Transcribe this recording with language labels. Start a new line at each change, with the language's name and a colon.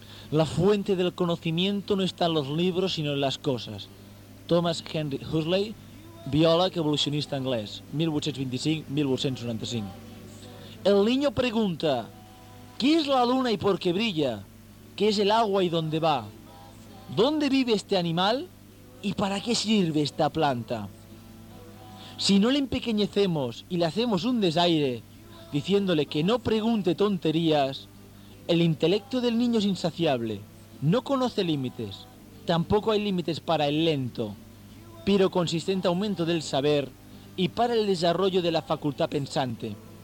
Spanish: La fuente del conocimiento no está en los libros, sino en las cosas.
Catalan: Thomas Henry Huxley, biòleg evolucionista anglès, 1825-1895.
Spanish: El niño pregunta, ¿qué es la luna y por qué brilla? ¿Qué es el agua y dónde va? ¿Dónde vive este animal y para qué sirve esta planta? Si no le empequeñecemos y le hacemos un desaire, diciéndole que no pregunte tonterías, el intelecto del niño es insaciable, no conoce límites, tampoco hay límites para el lento, pero consistente aumento del saber y para el desarrollo de la facultad pensante.